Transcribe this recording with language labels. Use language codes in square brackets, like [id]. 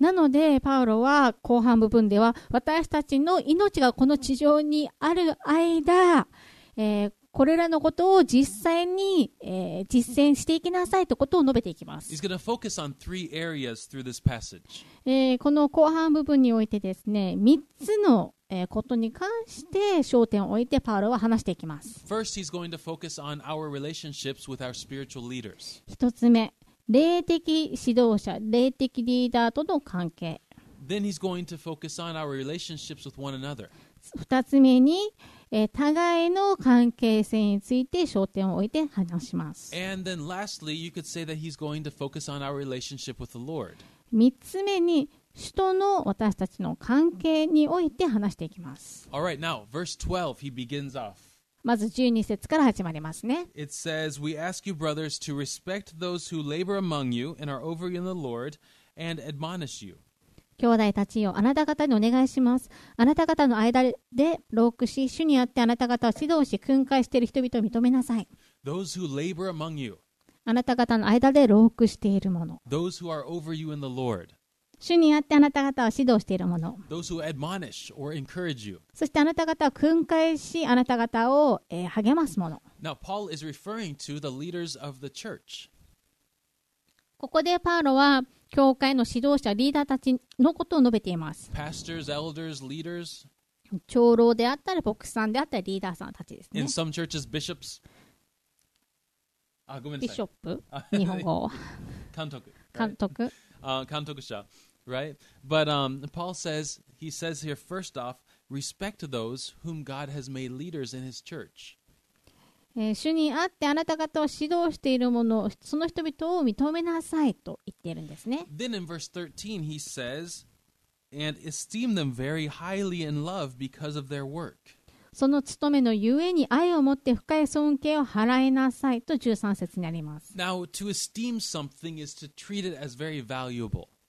[ja] でパウロは後半部分では私たちの命がこの地上にある間、これらのことを実際に、実践していきなさいということを述べていきます。 [en] He's going to focus on three areas through this passage. [ja] この後半部分においてですね、3つの、ことに関して焦点を置いてパウロは話していきます。 [en] First, he's going to focus on our relationships with our spiritual leaders. [ja] 1つ目、霊的指導者、霊的リーダーとの関係。 [en] Then he's going to focus on our relationships with one another. [ja] 2つ目に、互いの関係性について焦点を置いて話します。 [en] And then lastly, you could say that he's going to focus on our relationship with the Lord. [ja] 3つ目に、主との私たちの関係において話していきます。 [en] All right, now, verse 12, he begins off. [ja] まず12節から始まりますね。 [en] It says, We ask you, brothers, to respect those who labor among you and are over you in the Lord and admonish you. [ja] 兄弟たちよ、あなた方にお願いします。あなた方の間で労苦し、主にあってあなた方を指導し、訓戒している人々を認めなさい。 [en] Those who labor among you. [ja] あなた方の間で労苦している者。 [en] Those who are over you in the Lord. [ja] 主にあってあなた方を指導している者。 [en] Those who admonish or encourage you. [ja] そしてあなた方を訓戒し、あなた方を、励ます者。 [en] Now, Paul is referring to the leaders of the church. [ja] ここでパウロは教会の指導者、リーダーたちのことを述べています。 [en] Pastors, elders, leaders, [ja] 長老であったり、牧師さんであったり、リーダーさんたちですね。 [en] In some churches, bishops. [ja] ごめんなさい。ビショップ日本語。監督。監督。監督者。Right? [en] But Paul says, he says here, first off, respect those whom God has made leaders in his church. [ja] 主にあってあなた方を指導しているものその人々を認めなさいと言っているんですね。 [en] Then in verse 13 he says, and esteem them very highly in love because of their work. [ja] その務めのゆえに愛を持って深い尊敬を払いなさいと13節になります。 [en] Now, to esteem something is to treat it as very valuable.